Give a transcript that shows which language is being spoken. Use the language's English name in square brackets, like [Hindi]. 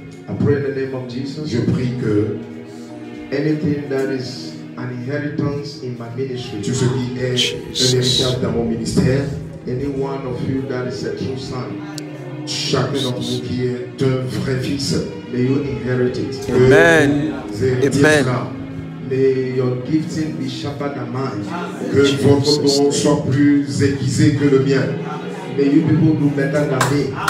[English] I pray in the name of Jesus. [French] Je prie que [English] anything that is an inheritance in my ministry. [French] Tout ce qui est un héritage dans mon ministère. [English] Any one of you that is a true son. [French] Chacun d'entre vous qui est un vrai fils. [English] May you inherit it. Amen. Amen. May your gifting be sharper than mine. [French] Que votre don soit plus aiguisé que le mien. [English] May you people do better than me.